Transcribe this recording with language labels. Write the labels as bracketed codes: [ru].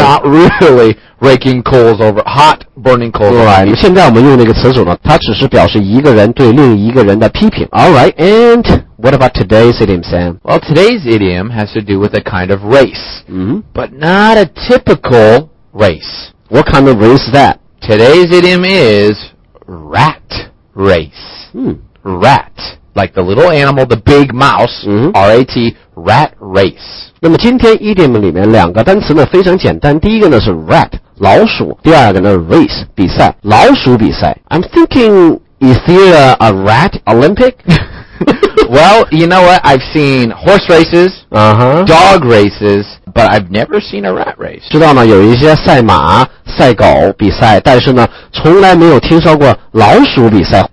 [en] Not really raking coals over, hot burning coals. Right, [zh] 现在我们用那个词组呢，它只是表示一个人对另一个人的批评。 [en] Alright, and what about today's idiom, Sam? Well, today's idiom has to do with a kind of race,、 mm-hmm. but not a typical race. What kind of race is that? Today's idiom is rat race.、 Mm. Rat. Like the little animal, the big mouse,、 mm-hmm. R-A-T, rat race. [zh] 那么今天 idiom 里面两个单词呢非常简单，第一个呢是 rat, 老鼠，第二个呢 race, 比赛，老鼠比赛。 [en] I'm thinking, is there a rat Olympic? Well, you know what, I've seen horse races,、 uh-huh. dog races, but I've never seen a rat race. [zh] 知道呢，有一些赛马、赛狗比赛，但是呢，从来没有听说过老鼠比赛。